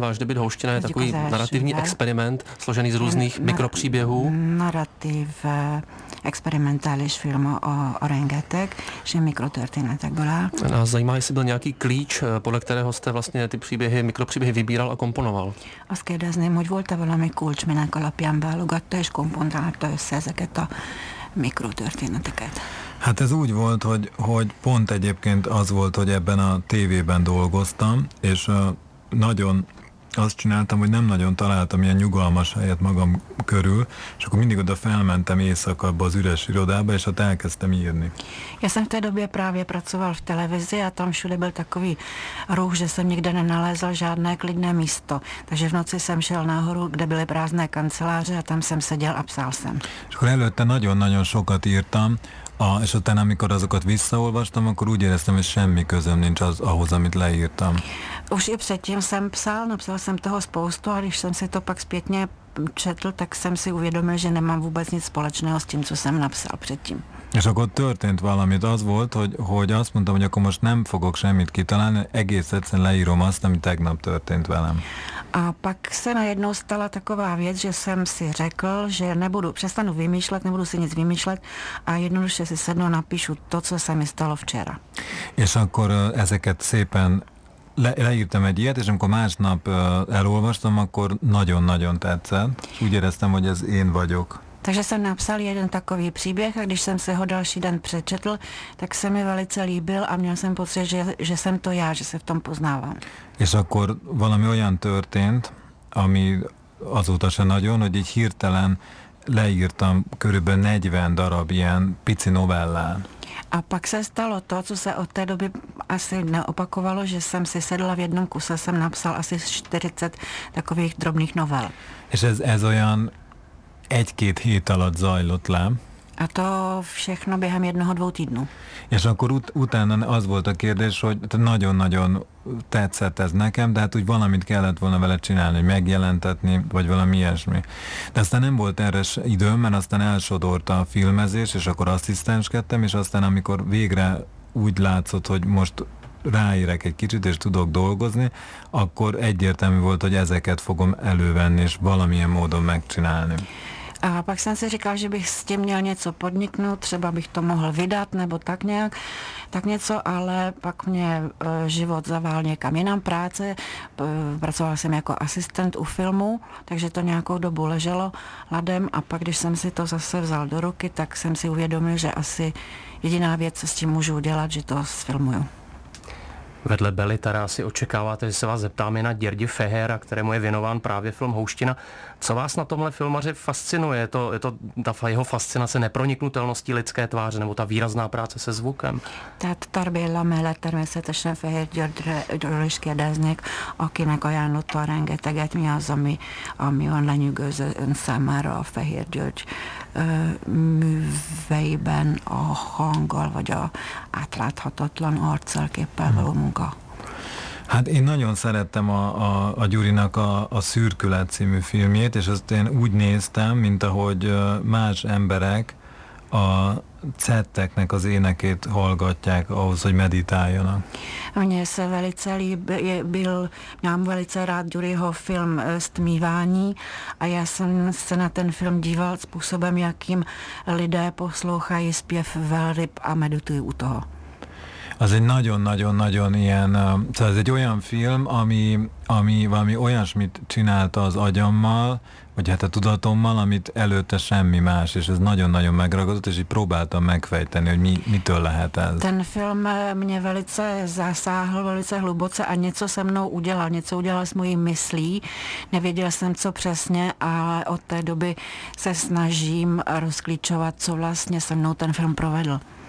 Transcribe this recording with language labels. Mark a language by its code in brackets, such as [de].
[cs] Váš debut houština je takový narrativní experiment, složený z různých mikropříběhů. [hu] Narrativ experimentális film o rengetek, že mikrotörténetek byla. [cs] Nás zajímá, jestli byl nějaký klíč, podle kterého jste vlastně ty příběhy, mikropříběhy vybíral a komponoval. [hu] Azt kérdezném, hogy volt-e valami kulcs, minek alapján válogatta és komponálta össze ezeket a mikrotörténeteket. Hát ez úgy volt, hogy pont egyébként az volt, hogy ebben a tévében dolgoztam, és nagyon azt csináltam, hogy nem nagyon találtam ilyen nyugalmas helyet magam körül, és akkor mindig oda felmentem éjszaka abba az üres irodába, és ott elkezdtem írni. [cs] Já jsem v té době právě pracoval v televizi a tam všude byl takový ruch, že jsem nikde nenalézal žádné klidné místo. Takže v noci jsem šel nahoru, kde byly prázdné kanceláře a tam jsem seděl a psal jsem. [hu] És akkor előtte nagyon-nagyon sokat írtam, és utána, amikor azokat visszaolvastam, akkor úgy éreztem, hogy semmi közöm nincs ahhoz, amit leírtam. [cs] Už i předtím jsem psal, napsal jsem toho spoustu a když jsem si to pak zpětně četl, tak jsem si uvědomil, že nemám vůbec nic společného s tím, co jsem napsal předtím. [hu] És akkor történt valamit, az volt, hogy azt mondtam, hogy akkor most nem fogok semmit kitalálni, egész egyszerűen leírom azt, ami tegnap történt velem. [cs] A pak se najednou stala taková věc, že jsem si řekl, že nebudu si nic vymýšlet a jednoduše si sednu a napíšu to, co se mi stalo včera. [hu] És akkor ezeket szépen leírtam egy ilyet, és amikor másnap elolvastam, akkor nagyon-nagyon tetszett. Úgy éreztem, hogy ez én vagyok. [cs] Takže jsem napsal jeden takový příběh a když jsem se ho další den přečetl, tak se mi velice líbil a měl jsem pocit, že jsem to já, že se v tom poznávám. [hu] És akkor valami olyan történt, ami azóta se nagyon, hogy így hirtelen leírtam körülbelül 40 darab ilyen pici novellán. [cs] A pak se stalo to, co se od té doby asi neopakovalo, že jsem si sedla v jednom kuse, jsem napsal asi 40 takových drobných novel. [hu] És ez olyan egy-két hét alatt zajlott le. [cs] A to všechno během jednoho, dvou týdnů. [hu] És akkor utána az volt a kérdés, hogy nagyon-nagyon tetszett ez nekem, de hát úgy valamit kellett volna vele csinálni, hogy megjelentetni, vagy valami ilyesmi. De aztán nem volt erre időm, mert aztán elsodorta a filmezés, és akkor asszisztenskedtem, és aztán amikor végre úgy látszott, hogy most ráérek egy kicsit, és tudok dolgozni, akkor egyértelmű volt, hogy ezeket fogom elővenni, és valamilyen módon megcsinálni. [cs] A pak jsem si říkal, že bych s tím měl něco podniknout, třeba bych to mohl vydat nebo tak nějak, tak něco, ale pak mě život zavál někam jinam práce, pracoval jsem jako asistent u filmu, takže to nějakou dobu leželo ladem a pak, když jsem si to zase vzal do ruky, tak jsem si uvědomil, že asi jediná věc, co s tím můžu udělat, že to sfilmuju. Vedle Beli Tarasi očekáváte, že se vás zeptáme na Děrdi Fehéra, kterému je věnován právě film Houština. Co vás na tomhle filmaři fascinuje? Je to ta jeho fascinace neproniknutelností lidské tváře nebo ta výrazná práce se zvukem? [hu] Tehát Tarbilla mellett természetesen Fehér Györgyről is kérdeznék, akinek ajánlotta rengeteget, mi az, ami olyan lenyűgöző ön számára a Fehér György műveiben a hanggal, vagy a átláthatatlan arccelképpel való munka. Hát én nagyon szerettem a Gyurinak a Szürkület című filmjét, és azt én úgy néztem, mint ahogy más emberek a Cetteknek az énekét hallgatják ahhoz, hogy meditáljanak. [cs] Mně se velice líbil, mám velice rád Gyuriho film Stmívání a já jsem se na ten film díval způsobem, jakým lidé poslouchají zpěv velryb a meditují u toho. [hu] Az egy nagyon-nagyon-nagyon ilyen, szóval ez egy olyan film, ami valami olyasmit csinálta az agyammal, vagy hát a tudatommal, amit előtte semmi más, és ez nagyon-nagyon megragadott, és így próbáltam megfejteni, hogy mitől lehet ez. [cs] Ten film mě velice zasáhl, velice hluboce a něco se mnou udělal, něco udělal s mojí myslí, nevěděl jsem, co přesně, ale od té doby se snažím rozklíčovat, co vlastně se mnou ten film provedl.